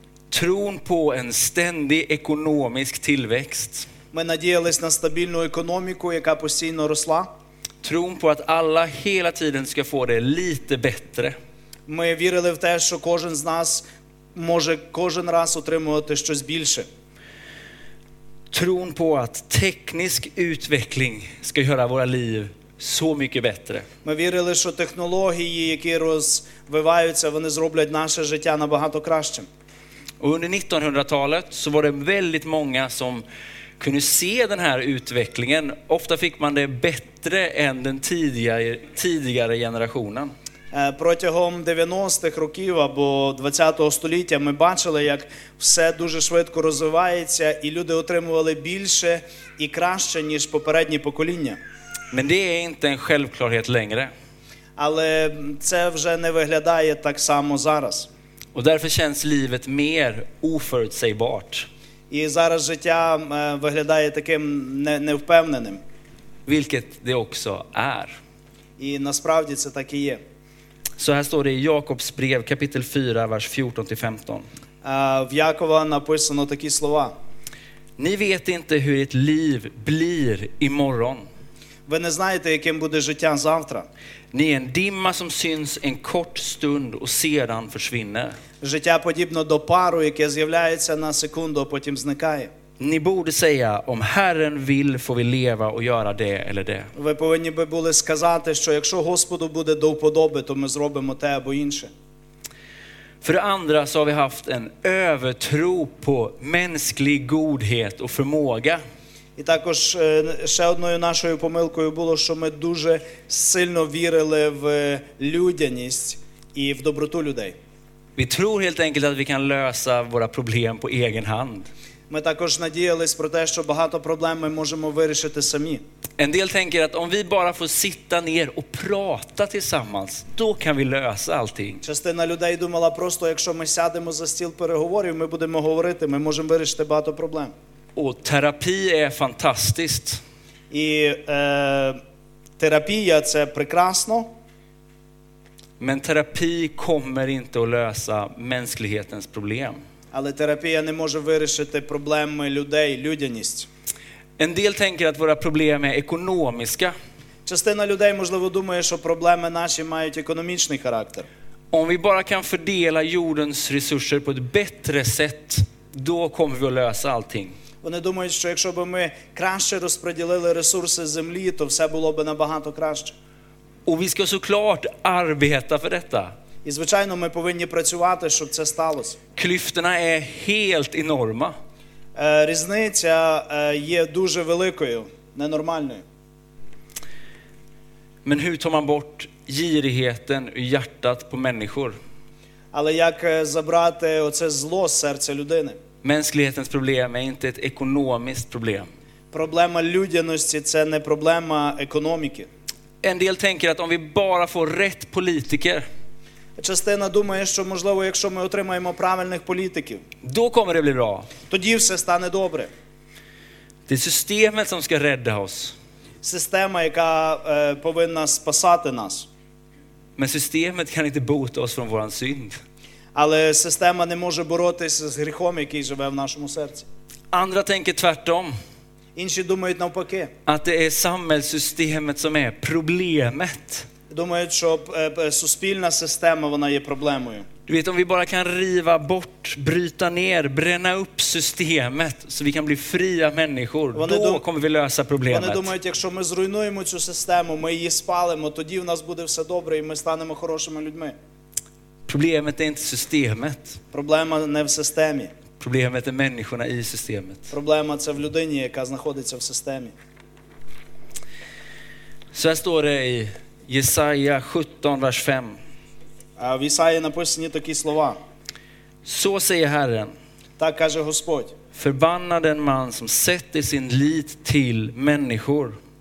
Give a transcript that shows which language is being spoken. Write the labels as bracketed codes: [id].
[sv] Tron på en ständig ekonomisk tillväxt. [uk] Ми надіялись на стабільну економіку, яка постійно росла. [sv] Tron på att alla hela tiden ska få det lite bättre. [uk] Ми вірили в те, що кожен з нас може кожен раз отримувати щось більше. [sv] Tron på att teknisk utveckling ska göra våra liv så mycket bättre. [uk] Ми вірили, що технології, які розвиваються, вони зроблять наше життя набагато кращим. [sv] Och under 1900-talet så var det väldigt många som kunde se den här utvecklingen. Ofta fick man det bättre än den tidigare generationen. [uk] Протягом 90-х років або 20-го століття ми бачили, як все дуже швидко розвивається, і люди отримували більше і краще, ніж попередні покоління. [sv] Men det är inte en självklarhet längre. [uk] Але це вже не виглядає так само зараз. [sv] Och därför känns livet mer oförutsägbart. [uk] І зараз життя виглядає таким невпевненим. [sv] Vilket det också är. [uk] І насправді це так і є. [sv] Så här står det i Jakobs brev kapitel 4 vers 14-15. [uk] В Якова написано такі слова. [sv] Ni vet inte hur ett liv blir imorgon. [uk] Ви не знаєте, яким буде життя завтра. [sv] Ni är en dimma som syns en kort stund och sedan försvinner. [uk] Життя подібно до пару, яке з'являється на секунду, а потім зникає. [sv] Ni borde säga, om Herren vill får vi leva och göra det eller det. [uk] Ви повинні би були сказати, що якщо Господу буде до вподоби, то ми зробимо те або інше. [sv] För det andra så har vi haft en övertro på mänsklig godhet och förmåga. [uk] І також ще одною нашою помилкою було, що ми дуже сильно вірили в людяність і в доброту людей. [sv] Vi tror helt enkelt att vi kan lösa våra problem på egen hand. [uk] Ми також надіялись про те, що багато проблем ми можемо вирішити самі. [sv] En del tänker att om vi bara får sitta ner och prata tillsammans, då kan vi lösa allting. [uk] Частина людей думала просто, якщо ми сядемо за стіл переговорів, ми будемо говорити, ми можемо вирішити багато проблем. [sv] Och terapi är fantastiskt. [uk] І терапія це прекрасно. [sv] Men terapi kommer inte att lösa mänsklighetens problem. [uk] Але терапія не може вирішити проблеми людей, людяність. [sv] En del tänker att våra problem är ekonomiska. [uk] Частина людей, можливо, думає, що проблеми наші мають економічний характер. [sv] Om vi bara kan fördela jordens resurser på ett bättre sätt, då kommer vi att lösa allting. [uk] Вони думають, що якщо б ми краще розподілили ресурси землі, то все було б набагато краще. [sv] Och vi ska såklart arbeta för detta. [uk] І, звичайно, ми повинні працювати, щоб це сталося. [sv] Клюфтена є helt enorma. [uk] Різниця є дуже великою, ненормальною. [sv] Men hur tar man bort girigheten ur hjärtat på människor? [uk] Але як забрати оце зло з серця людини? [sv] Mänsklighetens problem är inte ett ekonomiskt problem. [uk] Проблема людяності – це не проблема економіки. [sv] En del tänker att om vi bara får rätt politiker, [uk] Частина думає, що можливо, якщо ми отримаємо правильних політиків, [sv] då kommer det bli bra. [uk] Тоді все стане добре. [sv] Det är systemet som ska rädda oss. [uk] Система, яка повинна спасати нас. [sv] Men systemet kan inte bota oss från våran synd. [uk] Але система не може боротися з гріхом, який живе в нашому серці. [sv] Andra tänker tvärtom. [uk] Інші думають навпаки. [sv] Att det är samhällssystemet som är problemet. [uk] Думають, що суспільна система, вона є проблемою. [sv] Du vet, om vi bara kan riva bort, bryta ner, bränna upp systemet så vi kan bli fria människor, då kommer vi lösa problemet. [uk] Вони думають, якщо ми зруйнуємо цю систему, ми її спалимо, тоді в нас буде все добре і ми станемо хорошими людьми. [sv] Problemet är inte systemet. [uk] Проблема не в системі. [sv] Problemet är människorna i systemet. [uk] Проблема це в людині, яка знаходиться в системі. [sv] Så här står det i Jesaja 17, vers 5. [uk] В Ісаї написані такі слова. [sv] Så säger Herren. [uk] Так каже Господь. [sv] Förbannad den man som sätter sin lit till människor.